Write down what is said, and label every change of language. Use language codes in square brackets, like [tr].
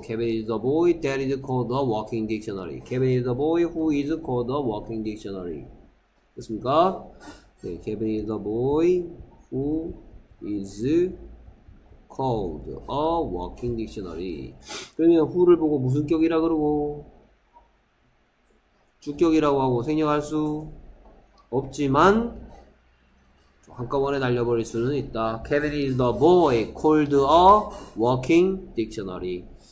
[en] Kevin is the boy that is called the walking dictionary. Kevin is the boy who is called the walking dictionary. [ko] 됐습니까? 네, [en] Kevin is the boy who is called a walking dictionary. [ko] 그러면 who를 보고 무슨 격이라 그러고 주격이라고 하고 생략할 수 없지만 한꺼번에 날려버릴 수는 있다. [en] Kevin is the boy called a walking dictionary.